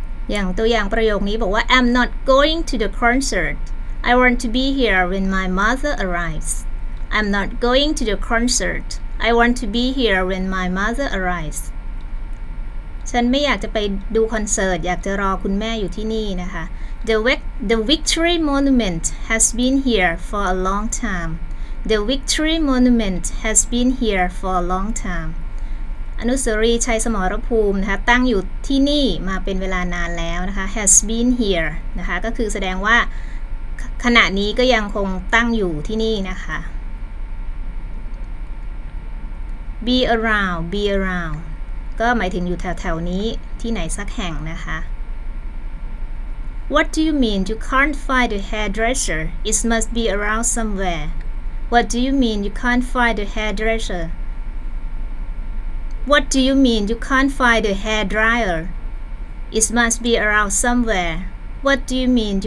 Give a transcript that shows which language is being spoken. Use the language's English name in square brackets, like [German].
[Thai] อย่างตัวอย่างประโยคนี้บอกว่า [English] I'm not going to the concertI want to be here when my mother arrives. I'm not going to the concert. I want to be here when my mother arrives. [Thai] ฉันไม่อยากจะไปดูคอนเสิร์ตอยากจะรอคุณแม่อยู่ที่นี่นะคะ [English] The Victory Monument has been here for a long time. The Victory Monument has been here for a long time. [Thai] อนุสาวรีย์ชัยสมรภูมินะคะตั้งอยู่ที่นี่มาเป็นเวลานานแล้วนะคะ [English] has been here [Thai] นะคะก็คือแสดงว่าขณะนี้ก็ยังคงตั้งอยู่ที่นี่นะคะ [English] be around [Thai] ก็หมายถึงอยู่แถวๆนี้ที่ไหนสักแห่งนะคะ [English] what do you mean you can't find the hairdresser it must be around somewhere what do you mean you can't find the hairdresser what do you mean you can't find the hairdryer it must be around somewhereWhat do you mean?